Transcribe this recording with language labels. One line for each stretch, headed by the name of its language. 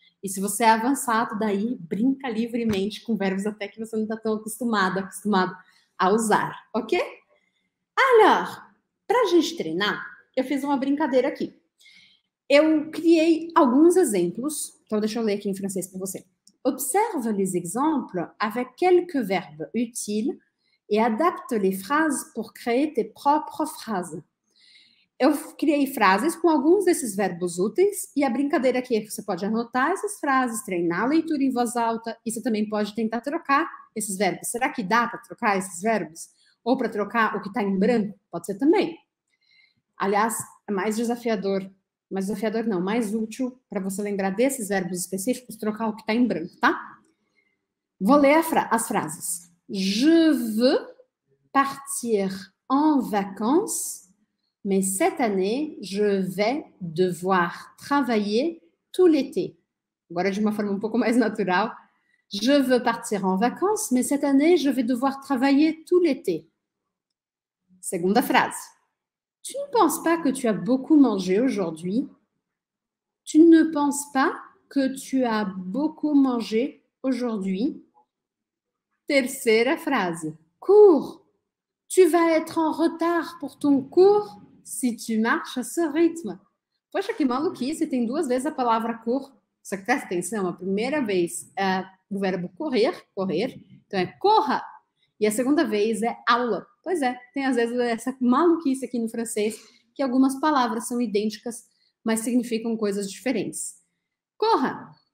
Portuguese: E se você é avançado, daí brinca livremente com verbos até que você não está tão acostumado a usar, ok? Alors, para a gente treinar, eu fiz uma brincadeira aqui. Eu criei alguns exemplos, então deixa eu ler aqui em francês para você.
French: Observe les exemples avec quelques verbes utiles. E adapte les phrases pour créer tes propres phrases.
Portuguese: Eu criei frases com alguns desses verbos úteis e a brincadeira aqui é que você pode anotar essas frases, treinar a leitura em voz alta e você também pode tentar trocar esses verbos. Será que dá para trocar esses verbos? Ou para trocar o que está em branco? Pode ser também. Aliás, é mais desafiador não, mais útil para você lembrar desses verbos específicos, trocar o que está em branco, tá? Vou ler as frases.
French: Je veux partir en vacances, mais cette année, je vais devoir travailler tout l'été.
Portuguese: Agora, de uma forma um pouco mais natural.
French: Je veux partir en vacances, mais cette année, je vais devoir travailler tout l'été.
Portuguese: Segunda frase.
French: Tu ne penses pas que tu as beaucoup mangé aujourd'hui? Tu ne penses pas que tu as beaucoup mangé aujourd'hui?
Portuguese: Terceira frase.
French: Cours. Tu vas être en retard pour ton cours si tu marches à ce rythme.
Portuguese: Poxa, que maluquice, tem duas vezes a palavra cours. Só que presta atenção, a primeira vez é o verbo correr, correr. Então é corra. E a segunda vez é aula. Pois é, tem às vezes essa maluquice aqui no francês, que algumas palavras são idênticas, mas significam coisas diferentes. Corra!